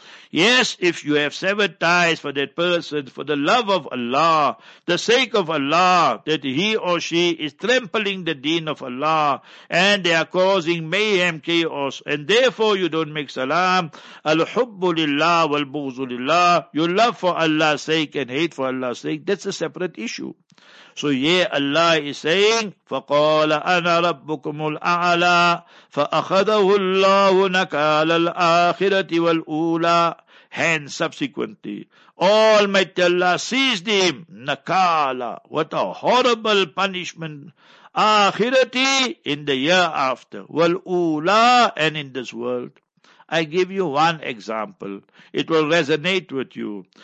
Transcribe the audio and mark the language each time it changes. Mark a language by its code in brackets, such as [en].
[en] Yes, if you have severed ties for that person, for the love of Allah, the sake of Allah, that he or she is trampling the deen of Allah, and they are causing mayhem, chaos, and therefore you don't make salam, [ar] al-hubbu lillah wal-bughzu lillah, [en] your love for Allah's sake and hate for Allah's sake, that's a separate issue. So yeah, Allah is saying, [ar] فَقَالَ أَنَا رَبُّكُمُ الْأَعْلَىٰ فَأَخَذَهُ اللَّهُ نَكَالَ الْآخِرَةِ وَالْأُولَىٰ. [en] Hence, subsequently, Almighty Allah seized him. [ar] نَكَالَ. [en] What a horrible punishment. [ar] آخِرَةِ, [en] in the year after. [ar] وَالْأُولَىٰ, [en] and in this world. I give you one example. It will resonate with you.